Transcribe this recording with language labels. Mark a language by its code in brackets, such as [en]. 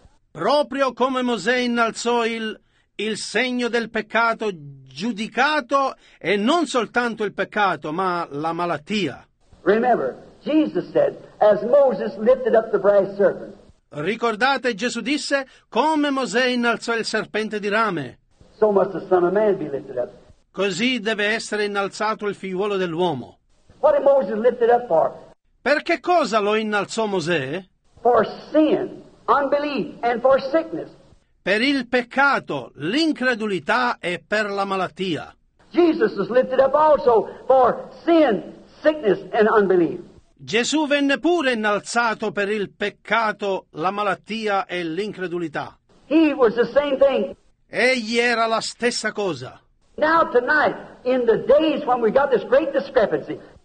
[it] Proprio come Mosè innalzò il segno del peccato giudicato, e non soltanto il peccato, ma la malattia. [en] Remember, Jesus said, as Moses lifted up the brass serpent. [it] Ricordate, Gesù disse, come Mosè innalzò il serpente di rame. [en] So must the Son of Man be lifted up. [it] Così deve essere innalzato il figliuolo dell'uomo. [en] What did Moses lift it up for? [it] Per che cosa lo innalzò Mosè? [en] For sin, unbelief, and for sickness. [it] Per il peccato, l'incredulità e per la malattia. [en] Jesus was lifted up also for sin, sickness, and unbelief. [it] Gesù venne pure innalzato per il peccato, la malattia e l'incredulità. [en] He was the same thing. [it] Egli era la stessa cosa. [en] Now tonight, in the days when we got this great discrepancy.